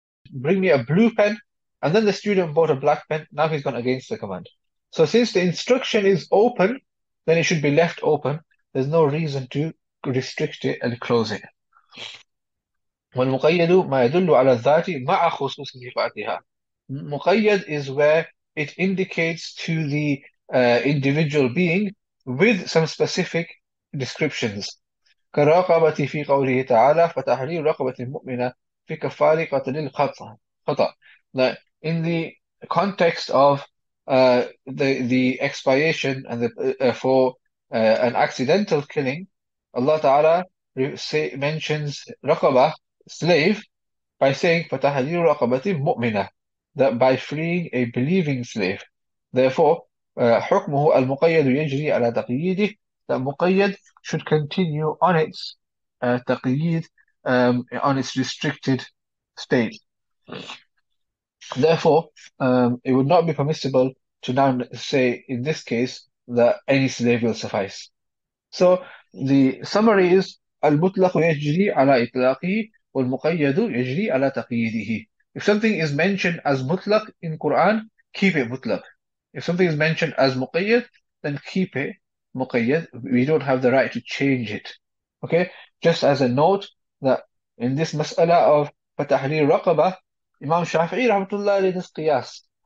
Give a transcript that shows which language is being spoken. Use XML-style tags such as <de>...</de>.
<en>Bring me a blue pen, and then the student bought a black pen. Now he's gone against the command. So since the instruction is open, then it should be left open. There's no reason to restrict it and close it.</en> <ar>والمقيد ما يدل على الذات مع خصوص صفاتها.</ar> <en>مقيد is where it indicates to the individual being with some specific descriptions.</en> <ar>كرقبة في قوله تعالى فتحرير رقبة مؤمنة في كفارة قتل الخطأ.</ar> <en>Now, in the context of the expiation and the, for an accidental killing, Allah Ta'ala mentions raqaba, slave, by saying</en> <ar>فَتَحْرِيرُ رَقَبَةٍ مُؤْمِنَةٍ,</ar> <en>that by freeing a believing slave. Therefore,</en> <ar>حُكْمُهُ الْمُقَيَّدُ يَجْرِي عَلَى تَقْيِيدِهِ,</ar> <en>that muqayyad should continue on its taqiyid, on its restricted state. Therefore, it would not be permissible to now say in this case that any slave will suffice. So the summary is</en> <ar>المطلق يجري على إطلاقه والمقيد يجري على تقييده.</ar> <en>If something is mentioned as mutlaq in Quran, keep it mutlaq. If something is mentioned as muqayyad, then keep it muqayyad. We don't have the right to change it. Okay, just as a note that in this mas'ala of فتحرير رقبة, Imam Shafi'i rahmatullah did this qiyas.</en>